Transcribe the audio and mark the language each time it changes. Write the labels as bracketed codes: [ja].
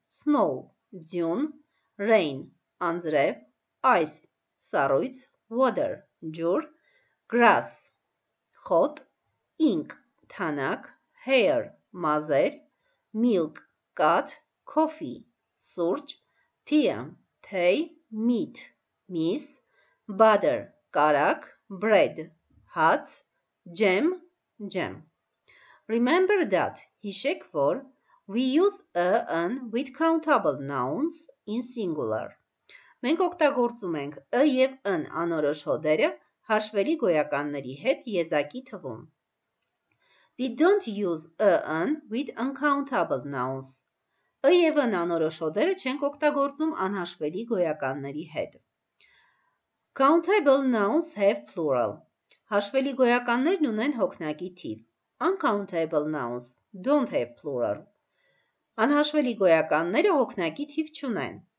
[en] Snow, ձյուն, rain, անձրև, ice, սառույց, water, ջուր, grass, խոտ, ink, թանաք, hair, մազեր, milk, cat, coffee, սուրճ, tea, թեյ, meat, miss, butter, կարակ, bread, հաց, jam, jam. Remember that, [hy] հիշեք որ, [en] we use a, an with countable nouns in singular. [hy] Մենք օգտագործում ենք a և an անորոշ հոդերը հաշվելի գոյականների հետ եզակի թվում. [en] We don't use a, an with uncountable nouns. [hy] A և an անորոշ հոդերը չենք օգտագործում անհաշվելի գոյականների հետ. [en] Countable nouns have plural. [hy] Հաշվելի գոյականներն ունեն հոգնակի թիվ. [en] Uncountable nouns don't have plural. [hy] Անհաշվելի գոյականները հոգնակի թիվ չունեն.